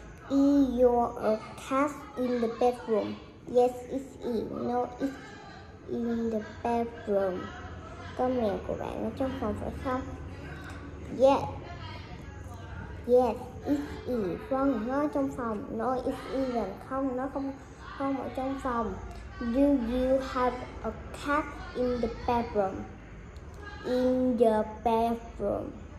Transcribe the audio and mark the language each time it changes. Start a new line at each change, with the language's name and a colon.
English: Is your cat in the bedroom? Yes, it is. No, it's in the bedroom.
Vietnamese: Con mèo của bạn ở trong phòng phải không?
English: Yes. Yes, it is.
Vietnamese: Vâng, nó ở trong phòng.
English: No, it isn't.
Vietnamese: Không, nó không ở trong phòng.
English: Do you have a cat in the bedroom? In the bathroom.